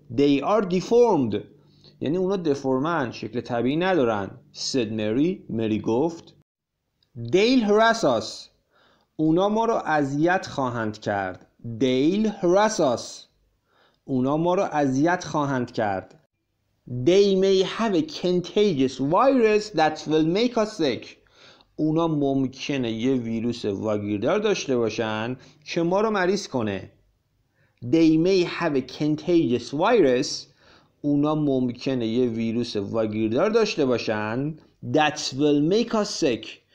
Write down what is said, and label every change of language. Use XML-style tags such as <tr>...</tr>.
<en>They are deformed.</en> <fa>یعنی اونا دفورمن. شکل طبیعی ندارن.</fa> <en>Said Mary.</en> <fa>مری گفت</fa> <en>They'll harass us.</en> <fa>اونا ما رو اذیت خواهند کرد.</fa> <en>They'll harass us.</en> <fa>اونا ما رو اذیت خواهند کرد.</fa> <en>They may have a contagious virus that will make us sick.</en> <fa>اونا ممکنه یه ویروس واگیردار داشته باشن که ما رو مریض کنه.</fa> <en>They may have a contagious virus.</en> <fa>اونا ممکنه یه ویروس واگیردار داشته باشن</fa> <en>that will make us sick.</en>